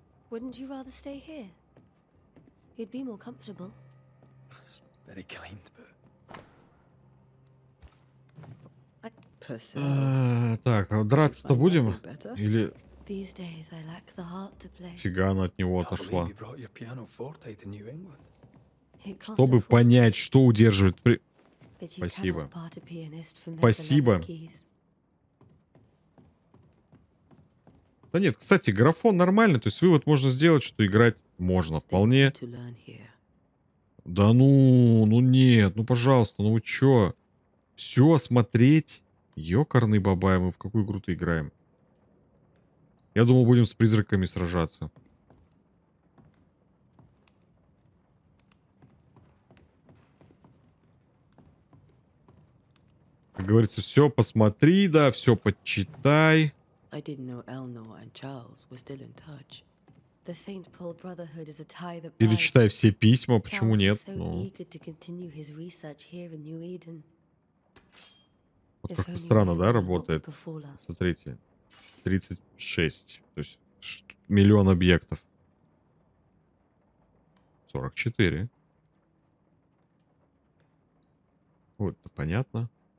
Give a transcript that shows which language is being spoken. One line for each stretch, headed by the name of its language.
English: Wouldn't you rather stay here? You'd be more comfortable. It's very kind, but... I personally...
Russian: Так, драться-то будем? Или...
English: These days I lack the heart to play.
Russian: Фига, она от него отошла.
English: I can't believe you brought your piano forte to New England.
Russian: Чтобы понять, что удерживает... Спасибо. Спасибо. Да нет, кстати, графон нормальный. То есть вывод можно сделать, что играть можно вполне. Да ну, ну нет, ну пожалуйста, ну вы чё? Все смотреть? Ёкарный бабай, мы в какую игру-то играем? Я думал, будем с призраками сражаться. Как говорится, все посмотри, да, все почитай.
English: I didn't know Elnor and Charles were still in touch. The Saint Paul Brotherhood is a tie that binds.
Russian: Перечитай все письма, почему нет? Ну.
English: Charles is so eager to continue his research here in New Eden.
Russian: Вот как-то странно, да, работает. Смотрите, 36, то есть 1 000 000 объектов. 44. Вот, это понятно.